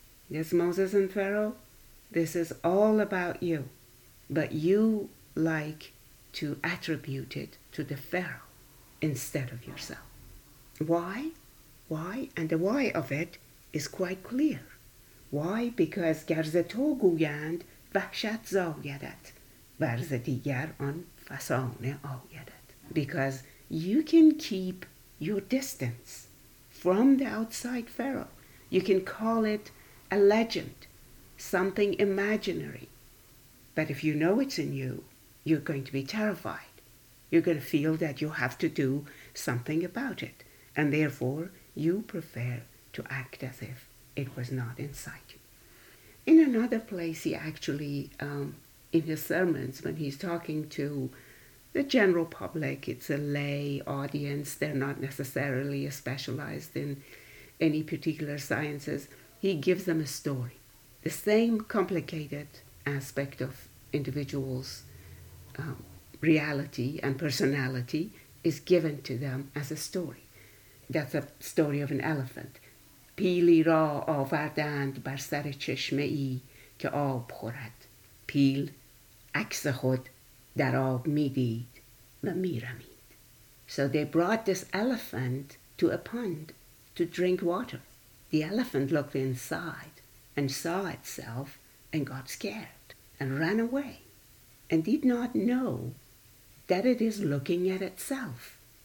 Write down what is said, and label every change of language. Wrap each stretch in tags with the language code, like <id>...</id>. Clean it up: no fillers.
<en>Yes, Moses and Pharaoh, this is all about you, but you like to attribute it to the Pharaoh instead of yourself. Why? Why? And the why of it is quite clear. Why? Because</en> <fa>گرزتو گویند وحشت زایدت ورز دیگر آن فسانه آیدت.</fa> <en>Because you can keep your distance from the outside Pharaoh. You can call it a legend, something imaginary. But if you know it's in you, you're going to be terrified. You're going to feel that you have to do something about it. And therefore, you prefer to act as if it was not inside you. In another place, he actually, in his sermons, when he's talking to the general public, it's a lay audience, they're not necessarily specialized in any particular sciences, he gives them a story. The same complicated aspect of individuals' reality and personality is given to them as a story. That's a story of an elephant.</en> <fa>پیلی را آوردند بر سر چشمه ای که آب خورد. پیل عکس خود در آب می دید و می رمید.</fa> <en>So they brought this elephant to a pond to drink water. The elephant looked inside and saw itself and got scared and ran away and did not know that it is looking at itself.</en>